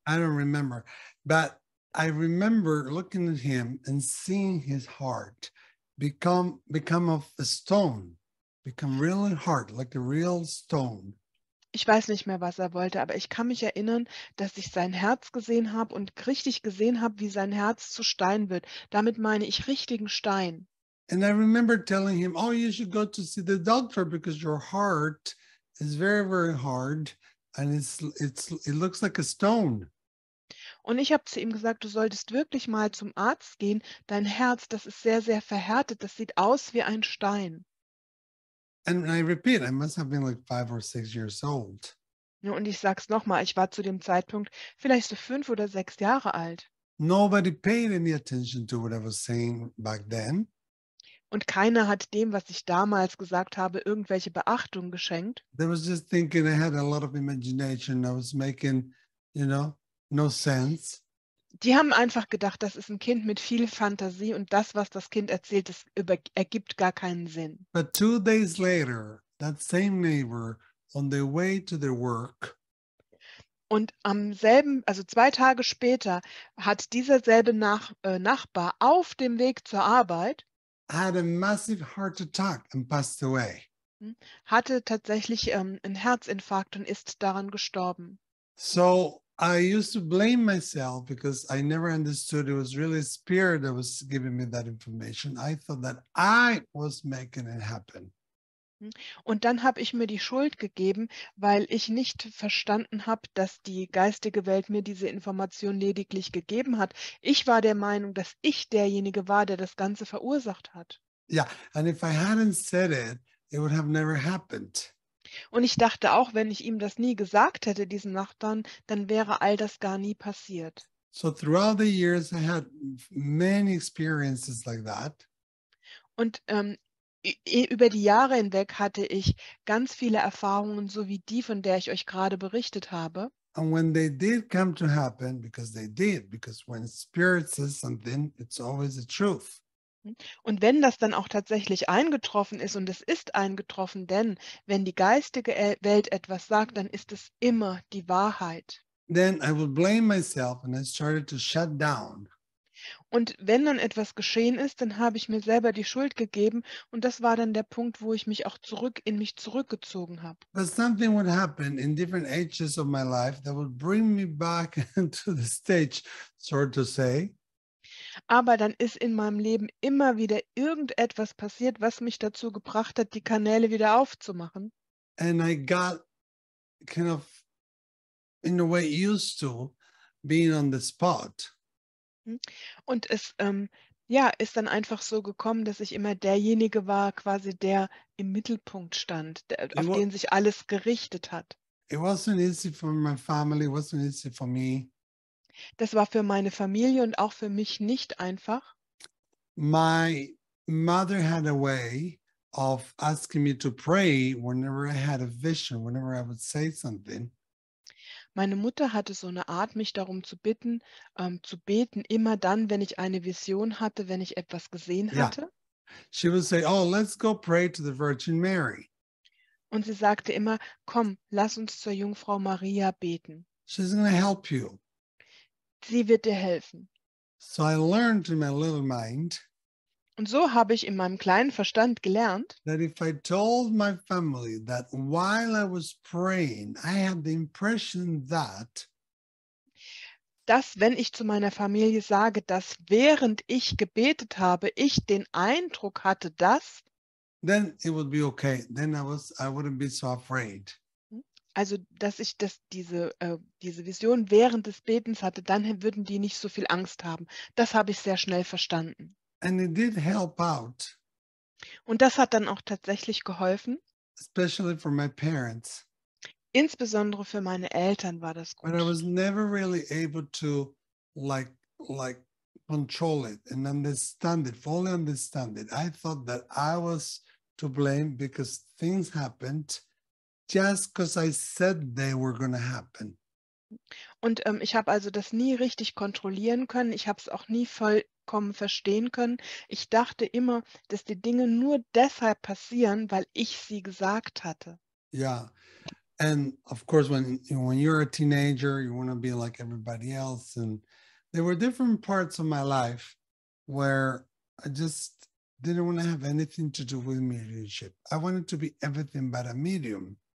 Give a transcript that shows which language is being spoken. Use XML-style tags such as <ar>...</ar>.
<en>I don't remember, but I remember looking at him and seeing his heart become of a stone, become really hard, like a real stone.</en> <de>Ich weiß nicht mehr, was er wollte, aber ich kann mich erinnern, dass ich sein Herz gesehen habe und richtig gesehen habe, wie sein Herz zu Stein wird. Damit meine ich richtigen Stein.</de> <en>And I remember telling him, oh, you should go to see the doctor because your heart is very, very hard and it looks like a stone.</en> <de>Und ich habe zu ihm gesagt, du solltest wirklich mal zum Arzt gehen. Dein Herz, das ist sehr, sehr verhärtet. Das sieht aus wie ein Stein.</de> <en>And I repeat, I must have been like 5 or 6 years old.</en> <de>Und ich sag's nochmal, ich war zu dem Zeitpunkt vielleicht so 5 oder 6 Jahre alt.</de> <en>Nobody paid any attention to what I was saying back then.</en> <de>Und keiner hat dem, was ich damals gesagt habe, irgendwelche Beachtung geschenkt.</de> <en>They was just thinking I had a lot of imagination. I was making, you know, no sense.</en> <de>Die haben einfach gedacht, das ist ein Kind mit viel Fantasie und das, was das Kind erzählt, das ergibt gar keinen Sinn.</de> <en>But 2 days later, that same neighbor on their way to their work.</en> <de>Und am selben, also 2 Tage später, hat dieser selbe Nachbar auf dem Weg zur Arbeit</de> <en>had a massive heart attack and passed away.</en> <de>Hatte tatsächlich einen Herzinfarkt und ist daran gestorben.</de> <en>So I used to blame myself because I never understood it was really spirit that was giving me that information. I thought that I was making it happen.</en> <de>Und dann habe ich mir die Schuld gegeben, weil ich nicht verstanden habe, dass die geistige Welt mir diese Information lediglich gegeben hat. Ich war der Meinung, dass ich derjenige war, der das Ganze verursacht hat.</de> <en>Yeah, and if I hadn't said it, it would have never happened.</en> <de>Und ich dachte auch, wenn ich ihm das nie gesagt hätte, diesen Nachbarn, dann wäre all das gar nie passiert.</de> <en>So throughout the years I had many experiences like that.</en> <de>Und über die Jahre hinweg hatte ich ganz viele Erfahrungen, so wie die, von der ich euch gerade berichtet habe.</de> <en>And when they did come to happen, because they did, because when spirit says something, it's always the truth.</en> <de>Und wenn das dann auch tatsächlich eingetroffen ist, und es ist eingetroffen, denn wenn die geistige Welt etwas sagt, dann ist es immer die Wahrheit.</de> <en>Then I would blame myself and I started to shut down.</en> <de>Und wenn dann etwas geschehen ist, dann habe ich mir selber die Schuld gegeben und das war dann der Punkt, wo ich mich auch zurück in mich zurückgezogen habe.</de> <en>But something would happen in different ages of my life that would bring me back to the stage, so to say.</en> <de>Aber dann ist in meinem Leben immer wieder irgendetwas passiert, was mich dazu gebracht hat, die Kanäle wieder aufzumachen.</de> <en>And I got kind of in a way used to being on the spot.</en> <de>Und es ist dann einfach so gekommen, dass ich immer derjenige war, quasi der im Mittelpunkt stand, der, auf was, den sich alles gerichtet hat.</de> <en>It wasn't easy for my family, it wasn't easy for me.</en> <de>Das war für meine Familie und auch für mich nicht einfach.</de> <en>My mother had a way of asking me to pray whenever I had a vision, whenever I would say something.</en> <de>Meine Mutter hatte so eine Art, mich darum zu bitten, zu beten, immer dann, wenn ich eine Vision hatte, wenn ich etwas gesehen hatte. Yeah.</de> <en>She would say, oh, let's go pray to the Virgin Mary.</en> <de>Und sie sagte immer, komm, lass uns zur Jungfrau Maria beten.</de> <en>She's going to help you.</en> <de>Sie wird dir helfen.</de> <en>So I learned in my little mind.</en> <de>Und so habe ich in meinem kleinen Verstand gelernt,</de> <en>that if I told my family that while I was praying, I had the impression that,</en> <de>dass wenn ich zu meiner Familie sage, dass während ich gebetet habe, ich den Eindruck hatte, dass,</de> <en>then it would be okay. Then I wouldn't be so afraid.</en> <de>Also, dass ich das, diese Vision während des Betens hatte, dann würden die nicht so viel Angst haben. Das habe ich sehr schnell verstanden.</de> <en>And it did help out.</en> <de>Und das hat dann auch tatsächlich geholfen.</de> <en>Especially for my parents.</en> <de>Insbesondere für meine Eltern war das gut.</de> <en>But I was never really able to like control it and understand it, fully understand it. I thought that I was to blame because things happened just because I said they were going to happen.</en> <de>Und ich habe also das nie richtig kontrollieren können. Ich habe es auch nie vollkommen verstehen können. Ich dachte immer, dass die Dinge nur deshalb passieren, weil ich sie gesagt hatte. Yeah.</de> <en>And of course, when you're a teenager, you want to be like everybody else. And there were different parts of my life where I just didn't want to have anything to do with mediumship. I wanted to be everything but a medium.</en>